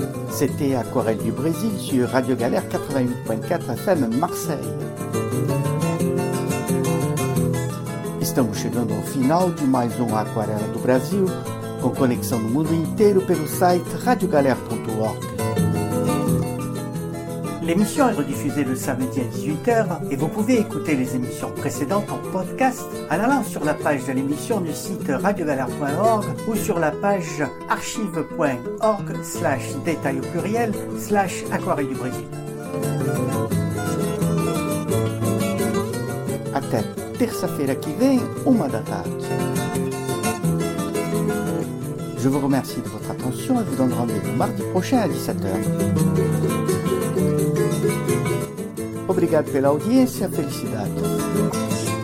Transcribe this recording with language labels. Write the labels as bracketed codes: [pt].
[fr] C'était Aquarelle du Brésil sur Radio Galère 88.4 FM Marseille. [pt] Estamos chegando ao final de mais Aquarela do Brasil, com conexão no mundo inteiro pelo site radiogalère.org. [fr] L'émission est rediffusée le samedi à 18h et vous pouvez écouter les émissions précédentes en podcast en allant sur la page de l'émission du site radiogalère.org ou sur la page archive.org/détail au pluriel/aquarelle du Brésil. [pt] Até terça-feira que vem, 1 da tarde. [fr] Je vous remercie de votre attention et vous donne rendez-vous mardi prochain à 17h. [pt] Obrigado pela audiência, felicidade.